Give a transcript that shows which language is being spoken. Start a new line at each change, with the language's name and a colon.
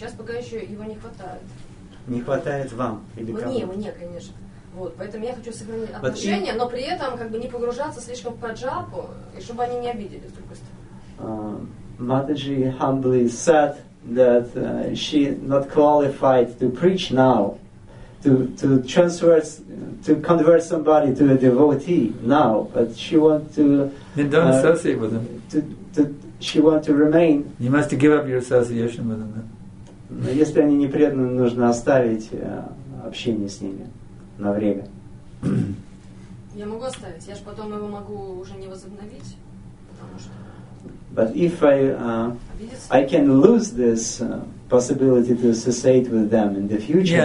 Russian: Сейчас пока еще его не хватает. Не хватает вам или кому? Мне, конечно. Вот, поэтому я хочу сохранить отношения, но при этом как бы не погружаться слишком в праджапу, и чтобы они не обидели с другой стороны.
English: Mataji humbly said that she not qualified to preach now, to convert somebody to a devotee now, but she want to. Then don't associate with him. She want to remain. You must give up your association with him.
Russian: Но если они не преданы, нужно оставить общение с ними на время. Я могу оставить. Я ж потом его могу уже не возобновить.
English: But if I can lose this possibility to associate with them in the future.